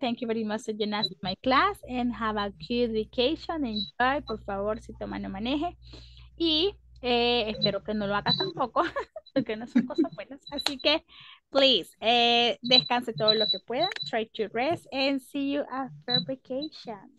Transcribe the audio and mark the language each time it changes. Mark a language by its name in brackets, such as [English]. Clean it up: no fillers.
[English] Thank you very much for joining us in my class and have a good vacation. Enjoy, [Spanish] por favor, si toma no maneje. Y espero que no lo hagas tampoco, porque no son cosas buenas. Así que [English] please, [Spanish] descanse todo lo que pueda. [English] Try to rest and see you after vacation.